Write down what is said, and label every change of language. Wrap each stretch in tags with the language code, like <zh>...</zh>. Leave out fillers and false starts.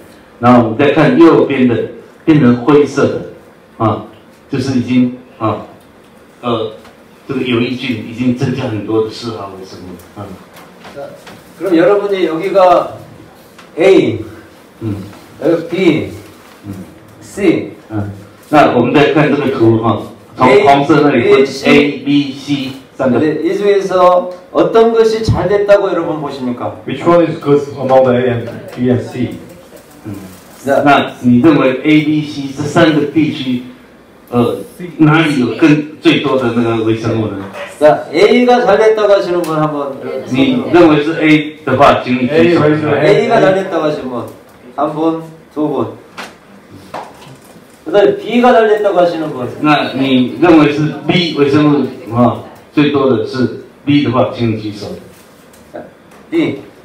<zh>现在我就这张图面来说说明啊，因为现在天气的，所以它从制造4号到现在已经15天了，那上面的部分哈就可以忽略掉，上面那个颜色是那个土墙的颜色，那你可以看看，当我们画面的左边啊，颜色是带有一点点红的，因为有红土的成分存在，然后我们再看右边的。变成灰色的，啊，就是已经啊，这个有益菌已经增加很多的4号微生物。</zh> <ko>그럼 여러분이 여기가 A, 여기 B, C.</ko> <zh>那我们再看这个图哈，从黄色那里 A, B, C 三个。이</zh> <ko>중에서 어떤 것이 잘 됐다고 여러분 보십니까?</ko> <en>Which one is good among the A and B and C?</en> <zh>那你认为 A、B、C 这三个地区，哪里有最多的那个微生物呢？那</zh> <ko>A가 잘됐다고 하시는 분 한번，</ko> <zh>你认为是 A 的话，请你举手。</zh> <ko>A가 잘됐다고 하시는 분，한번두분，그다음 B가 잘됐다고 하시는</ko> <zh>분，那你认为是 B 微生物啊最多的是 B 的话，请你举手。B</zh>